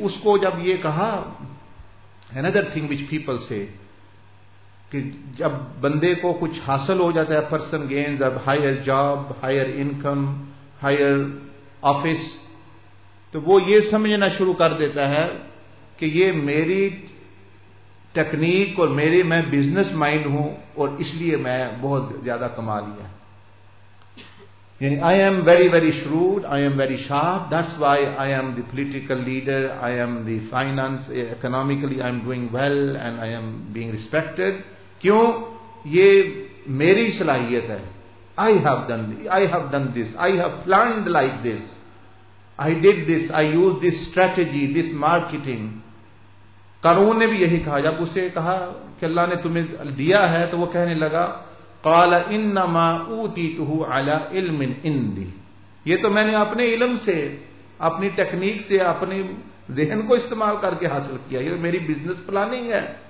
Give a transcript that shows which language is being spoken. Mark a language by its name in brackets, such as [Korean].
[Hindi] उसको जब ये कहा, [English] another thing which people say [Hindi] कि जब बंदे को कुछ हासिल हो जाता है, [English] person gains अब higher job, higher income, higher office, [Hindi] तो वो ये समझना शुरू कर देता है कि ये मेरी टेक्निक और मेरे, मैं बिजनेस माइंड हूं और इसलिए मैं बहुत ज्यादा कमा लिया. [English] I am very very shrewd, I am very sharp, that's why I am the political leader, I am the finance, economically I am doing well and I am being respected. [Hindi] क्यों? ये मेरी सलाहियत है. [English] I have done this, I have planned like this, I did this, I used this strategy, this marketing. [Hindi] कारून ने भी यही कहा. जब उसे कहा कि अल्लाह ने तुम्हें दिया है तो वो कहने लगा [Arabic] قال انما اوتيته على علم عندي, [Hindi] ये तो मैंने अपने इल्म से, अपनी टेक्निक से, अपने ज़हन को इस्तेमाल करके हासिल किया, ये तो मेरी बिजनेस प्लानिंग है.